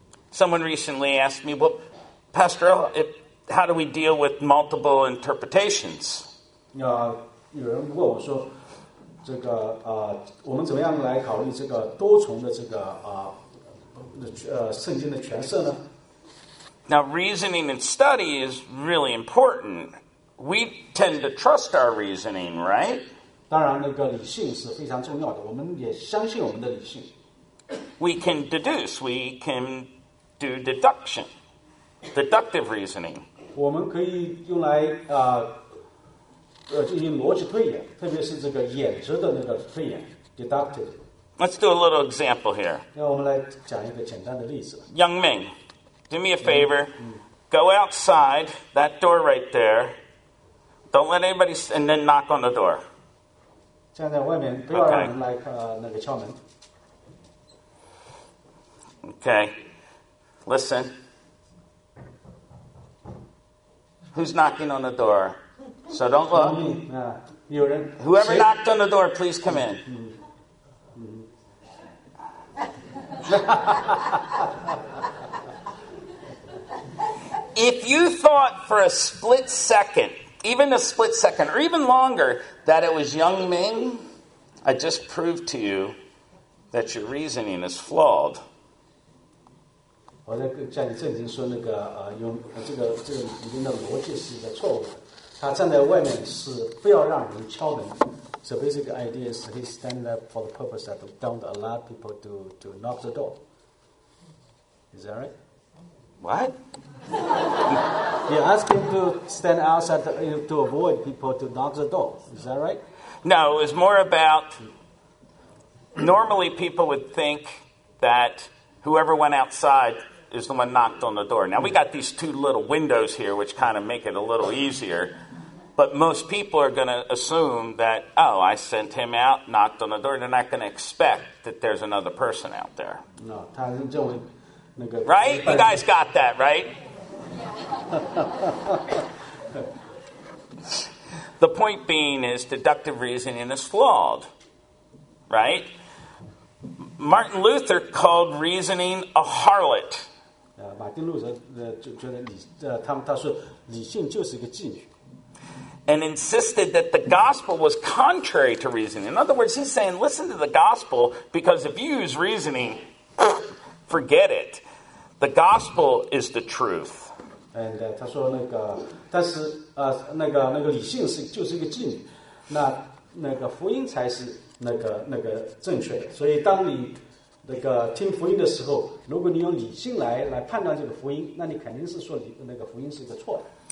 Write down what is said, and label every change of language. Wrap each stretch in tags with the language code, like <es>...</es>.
<en>Someone recently asked me, well, Pastor, how do we deal with multiple interpretations?</en> <zh>有人问我说，这个我们怎么样来考虑这个多重的这个圣经的诠释呢？</zh> <en>Now, reasoning and study is really important. We tend to trust our reasoning, right?</en> <zh>当然，那个理性是非常重要的。我们也相信我们的理性。</zh> <en>We can deduce. We can do deduction, deductive reasoning.</en> <zh>我们可以用来进行逻辑推演，特别是这个演直的那个推演 ，deductive.</zh> <en>Let's do a little example here.</en> <zh>那我们来讲一个简单的例子。</zh> <en>Young Ming, do me a favor. Go outside that door right there. Don't let anybody. And then knock on the door.</en> <zh>站在外面，不要让人来、那个敲门。</zh> <en>Okay, listen. Who's knocking on the door? So don't look.</en> <zh>有人。</zh> <en>Whoever knocked on the door, please come in. 嗯。 If you thought for a split second. Even a split second, or even longer, that it was Young Ming, I just proved to you that your reasoning is flawed.</en> <zh>我在你正经说那个用这个里面的逻辑是一个错误的。他站在外面是不要让人敲门。</zh> <en>So basic idea is he stand up for the purpose that don't allow people to knock the door. Is that right? What? You ask him to stand outside to avoid people to knock the door. Is that right? No, it was more about... Normally people would think that whoever went outside is the one knocked on the door. Now we got these two little windows here, which kind of make it a little easier. But most people are going to assume that, oh, I sent him out, knocked on the door. They're not going to expect that there's another person out there. No, Tom and Joey... Right? You guys got that, right? The point being is deductive reasoning is flawed, right? Martin Luther called reasoning a harlot.</en> <zh>Martin Luther 觉得理他说理性就是一个妓女</zh> <en>and insisted that the gospel was contrary to reasoning. In other words, he's saying, listen to the gospel, because if you use reasoning, forget it. The gospel is the truth.</en> <zh>And 他说那个，但是那个理性是就是一个妓女，那个福音才是那个正确的。所以当你那个听福音的时候，如果你用理性来判断这个福音，那你肯定是说那个福音是一个错的。</zh>